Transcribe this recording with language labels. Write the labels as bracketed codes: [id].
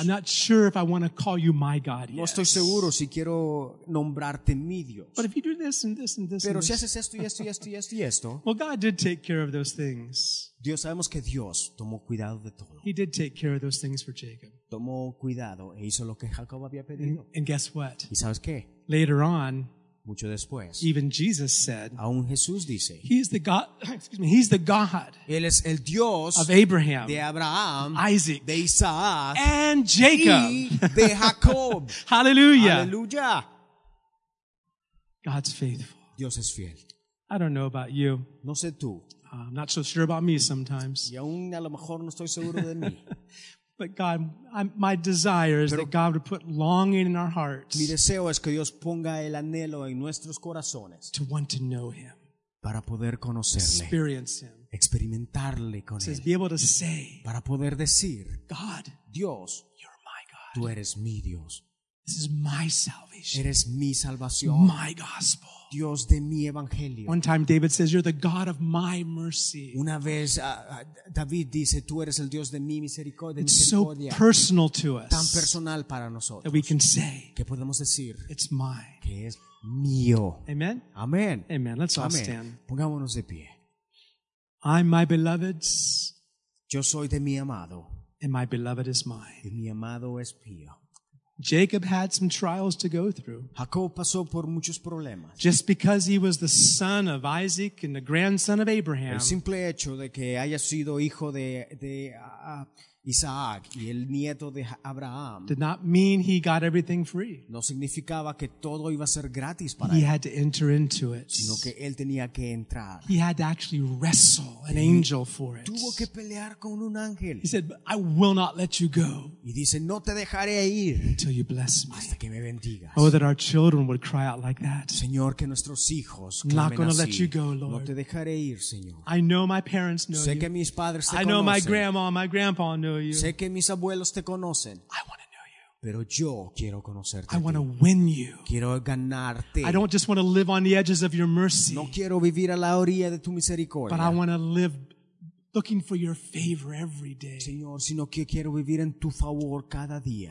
[en] I'm not sure if I want to call you my God. [es] No estoy seguro si quiero nombrarte mi Dios. [en] But if you do this and this and this. [es] Pero si haces esto y esto y esto y esto y esto. [en] Well, God did take care of those things. [es] Dios sabemos que Dios tomó cuidado de todo. [en] He did take care of those things for Jacob. [es] Tomó cuidado e hizo lo que Jacob había pedido. [en] And guess what? [es] ¿Y sabes qué? [en] Later on, [es] mucho después, [en] even Jesus said, [es] aún Jesús dice, [en] He's the God. [es] Él es el Dios [en] of Abraham, [es] de Abraham, [en] Isaac, [es] de Isaac, [en] and Jacob, [es] y de Jacob. [en] Hallelujah. [es] Hallelujah. [en] God's faithful. [es] Dios es fiel. [en] I don't know about you. [es] No sé tú. [en] I'm not so sure about me sometimes. [es] Y aún a lo mejor no estoy seguro de mí. [en] But God, my desire is that God would put longing in our hearts. [es] Mi deseo es que Dios ponga el anhelo en nuestros corazones. [en] To want to know Him. [es] Para poder conocerle. [en] Experience Him. [es] Experimentarle con él. [en] Be able to say. [es] Para poder decir. [en] God. [es] Dios. [en] You're my God. [es] Tú eres mi Dios. [en] This is my salvation. [es] Eres mi salvación. [en] My gospel. [es] Dios de mi evangelio. [en] One time David says, "You're the God of my mercy." [es] Una vez David dice, "Tú eres el Dios de mi misericordia." [en] It's so personal to us. [es] Tan personal para nosotros. [en] That we can say. [es] Que podemos decir. [en] It's mine. [es] Que es mío. [en] Amen. [es] Amen. [en] Amen. Let's all stand. [es] Pongámonos de pie. [en] I'm my beloved's. [es] Yo soy de mi amado. [en] And my beloved is mine. [es] Y mi amado es mío. [en] Jacob had some trials to go through. [es] Jacob pasó por muchos problemas. [en] Just because he was the son of Isaac and the grandson of Abraham. [es] El simple hecho de que haya sido hijo de Isaac y el nieto de Abraham. [en] Did not mean he got everything free. [es] No significaba que todo iba a ser gratis para [en] he [es] él. [en] He had to enter into it. [es] Sino que él tenía que entrar. [en] He had to actually wrestle an angel for it. [es] Tuvo que pelear con un ángel. [en] He said, "I will not let you go." [es] Y dice, "No te dejaré ir." [en] Until you bless me. [es] Hasta que me bendigas. [en] Oh, that our children would cry out like that. [es] Señor, que nuestros hijos clamen así. [en] Not going to let you go, Lord. [es] No te dejaré ir, Señor. [en] I know my parents know [es] sé [en] you. [es] Que mis padres te [en] I know [es] conocen. [en] My grandma, my grandpa know. [es] Sé que mis abuelos te conocen. [en] I want to know you. [es] Pero yo quiero conocerte. [en] I want to win you. [es] Quiero ganarte. [en] I don't just want to live on the edges of your mercy. [es] No quiero vivir a la orilla de tu misericordia. [en] But I want to live looking for your favor every day. [es] Señor, sino que quiero vivir en tu favor cada día.